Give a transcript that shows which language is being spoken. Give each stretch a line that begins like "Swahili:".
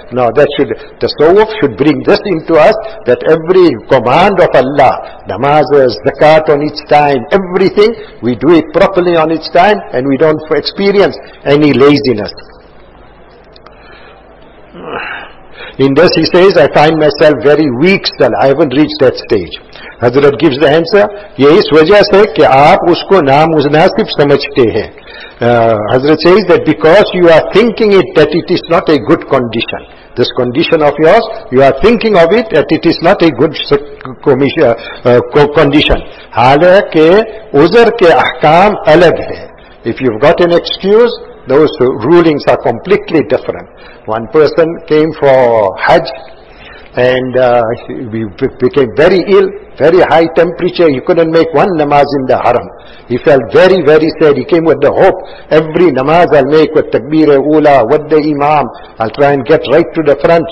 English: Now that should, the tasawwuf should bring this into us, that every command of Allah, namaz, zakat on its time, everything, we do it properly on its time and we don't experience any laziness. In this he says, I find myself very weak still, I haven't reached that stage.
Urdu: حضرت
English: gives the answer,
Urdu: یہ اس وجہ سے کہ آپ اس کو نامناسب سمجھتے ہیں.
English: حضرت says that because you are thinking it, that it is not a good condition. This condition of yours, you are thinking of it, that it is not a good condition.
Urdu: حالانکہ عذر کے احکام الگ ہیں.
English: If you've got an excuse, those rulings are completely different. One person came for Hajj, and he became very ill, very high temperature, he couldn't make one namaz in the haram. He felt very, very sad. He came with the hope, every namaz I'll make with Takbir-e-Ula, with the Imam, I'll try and get right to the front.